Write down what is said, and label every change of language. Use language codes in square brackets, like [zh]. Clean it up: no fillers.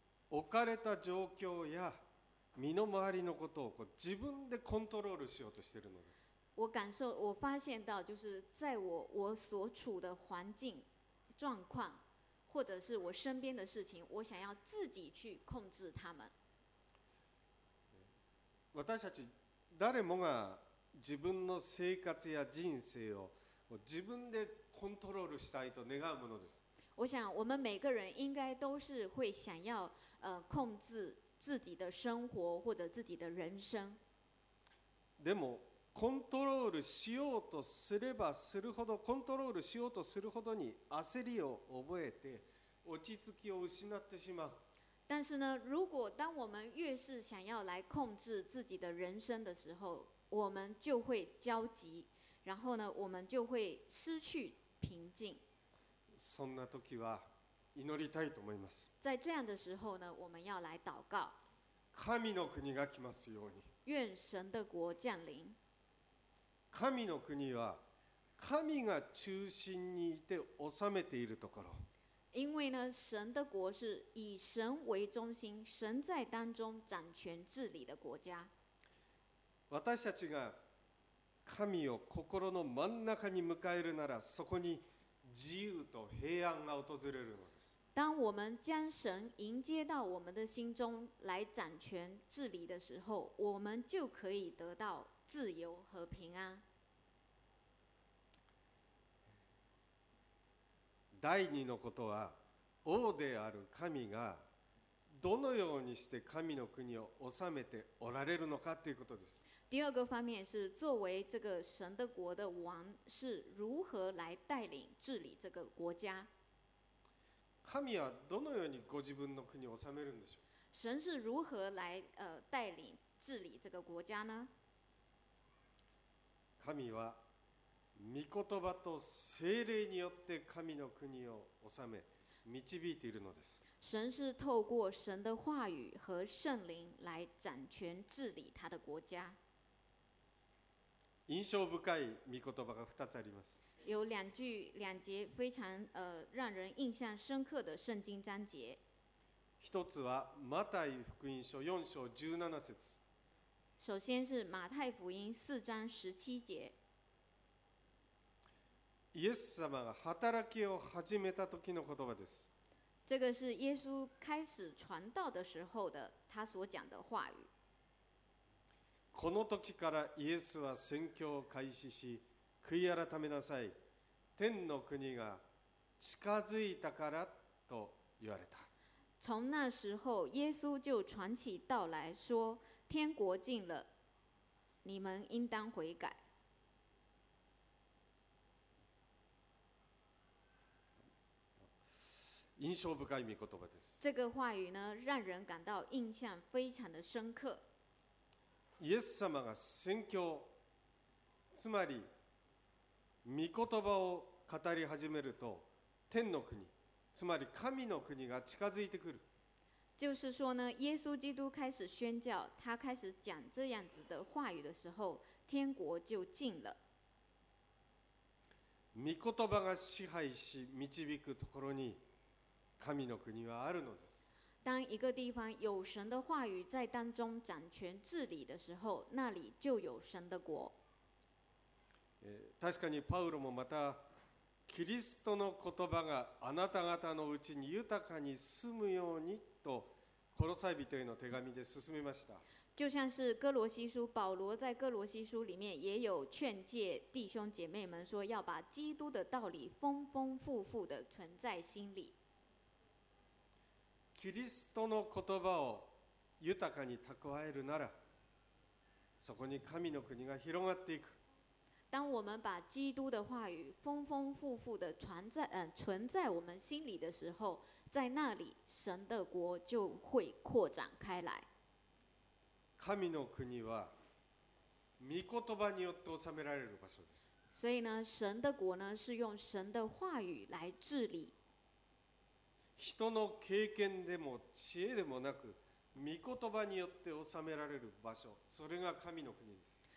[ja] 置かれた状況や身の回りのことをこう自分でコントロールしようとしているのです。 [zh] 我感受我发现到就是在 我所处的环境状况或者是我身边的事情我想要自己去控制他们。 [ja] 私たち誰もが自分の生活や人生を自分でコントロールしたいと願うものです。 [zh] 我想我们每个人应该都是会想要控制自己的生活或者自己的人生。 [ja] でもコントロールしようとすればするほどコントロールしようとするほどに焦りを覚えて落ち着きを失ってしまう。 [zh] 但是呢，如果当我们越是想要来控制自己的人生的时候，我们就会焦急，然后呢，我们就会失去平静。 [ja] そんな時は祈りたいと思います。 [zh] 在这样的时候呢，我们要来祷告。 [ja] 神の国が来ますように。 [zh] 愿神的国降临。 [ja] 神の国は神が中心にいて治めているところ。 [zh] 因为呢，神的国是以神为中心，神在当中掌权治理的国家。 [ja] 私たちが神を心の真ん中に迎えるなら、そこに自由と平安が訪れるのです。 [zh] 当我们将神迎接到我们的心中来掌权治理的时候，我们就可以得到自由和平安。 [ja] 第二のことは、王である神がどのようにして神の国を治めておられるのかということです。 [zh] 第二个方面是作为这个神的国的王是如何来带领治理这个国家。 [ja] 神はどのようにご自分の国を治めるんでしょう。 [zh] 神是如何来带领治理这个国家呢？ [ja] 神は御言葉と聖霊によって神の国を治め導いているのです。 [zh] 神是透过神的话语和圣灵来掌权治理他的国家。 [ja] 印象深い御言葉が2つあります。 [zh] 有两句两节非常让人印象深刻的圣经章节。 [ja] 一つはマタイ福音書4章17節。 [zh] 首先是马太福音四章十七节。 [ja] イエス様が働きを始めた時の言葉です。 [zh] 这个是耶稣开始传道的时候的他所讲的话语。 [ja] この時からイエスは宣教を開始し、悔い改めなさい、天の国が近づいたからと言われた。 [zh] 从那时候耶稣就传起道来说天国近了你们应当悔改。 [ja] 印象深い御言葉です。 [zh] 这个话语呢让人感到印象非常的深刻。 [ja] イエス様が宣教つまり御言葉を語り始めると天の国つまり神の国が近づいてくる。 [zh] 就是说呢，耶稣基督开始宣教，他开始讲这样子的话语的时候，天国就近了。 [ja] 御言葉が支配し導くところに神の国はあるのです。 [zh] 当一个地方有神的话语在当中掌权治理的时候，那里就有神的国。 [ja] 確かにパウロもまたキリストの言葉があなた方のうちに豊かに住むようにとコロサイ人への手紙で進めました。 [zh] 就像是哥罗西书，保罗在哥罗西书里面也有劝诫弟兄姐妹们说，要把基督的道理丰丰富富的存在心里。 [ja] キリストの言葉を豊かに蓄えるなら、そこに神の国が広がっていく。 [zh] 当我们把基督的话语丰丰富富的存在我们心里的时候，在那里神的国就会扩展开来。 [ja] 神の国は御言葉によって治められる場所です。 [zh] 所以呢，神的国呢是用神的话语来治理。 [ja] 人の経験でも知恵でもなく御言葉によって治められる場所、それが神の国です。